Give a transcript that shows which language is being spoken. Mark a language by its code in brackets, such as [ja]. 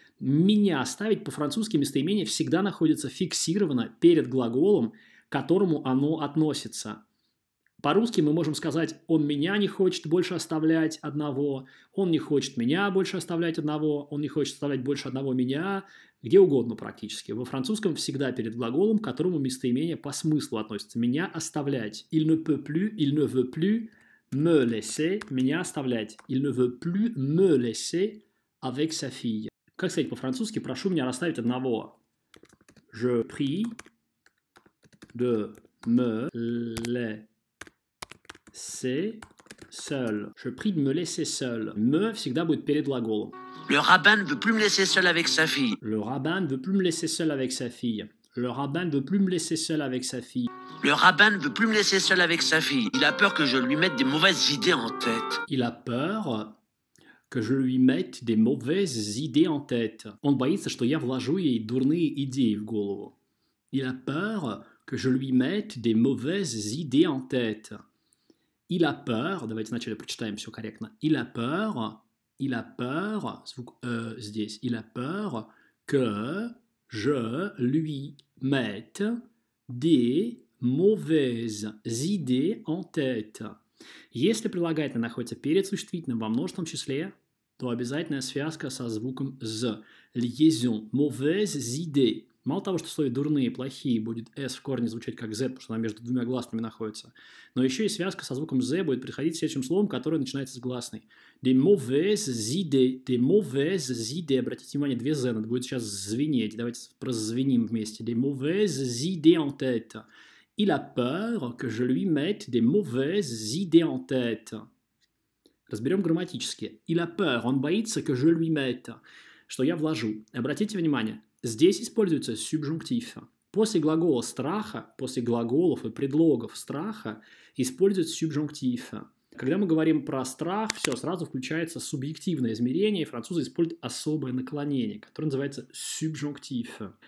[ru] Меня оставить по-французски местоимение всегда находится фиксировано перед глаголом, к которому оно относится. По-русски мы можем сказать, он меня не хочет больше оставлять одного, он не хочет меня больше оставлять одного, он не хочет оставлять больше одного меня, где угодно практически. Во французском всегда перед глаголом, к которому местоимение по смыслу относится. Меня оставлять. [fr] Il ne peut plus, il ne veut plus me laisser. [ru] Меня оставлять. [fr] Il ne veut plus me laisser avec sa fille. [ru] Как сказать по-французски, прошу меня расставить одного. [fr] Je prie de me laisser. C'est seul. Je prie de me laisser seul. [ru] Me всегда будет перед глаголом. [fr] Le rabbin ne veut plus me laisser seul avec sa fille. Le rabbin ne veut plus me laisser seul avec sa fille. Le rabbin ne veut plus me laisser seul avec sa fille. Le rabbin ne veut plus me laisser seul avec sa fille. Il a peur que je lui mette des mauvaises idées en tête. Il a peur que je lui mette des mauvaises idées en tête. [ru] Он боится, что я вложу ей дурные идеи в голову. [fr] Il a peur que je lui mette des mauvaises idées en tête. Il a peur, [ru] давайте сначала прочитаем все корректно. Il a peur, звук «э» здесь. [fr] Il a peur que je lui mette des mauvaises idées en tête. [ru] Если прилагательное находится перед существительным во множественном числе, то обязательно связка со звуком «з». [fr] Liaison. Mauvaise idée. [ru] Мало того, что в слове «дурные», «плохие» будет «с» в корне звучать как «з», потому что она между двумя гласными находится, но еще и связка со звуком «з» будет приходить следующим словом, которое начинается с гласной. [fr] «De mauvaise idée», «de mauvaise idée». [ru] Обратите внимание, две «з», надо будет сейчас звенеть. Давайте прозвеним вместе. [fr] «De mauvaise idée en tête». «Il a peur que je lui mette des mauvaises idées en tête». [ru] Разберем грамматически. [fr] «Il a peur», [ru] «он боится [fr] que je lui mette», [ru] «что я вложу». Обратите внимание, здесь используется субжунктив. После глагола страха, после глаголов и предлогов страха используется субжунктив. Когда мы говорим про страх, все, сразу включается субъективное измерение, и французы используют особое наклонение, которое называется субжунктив.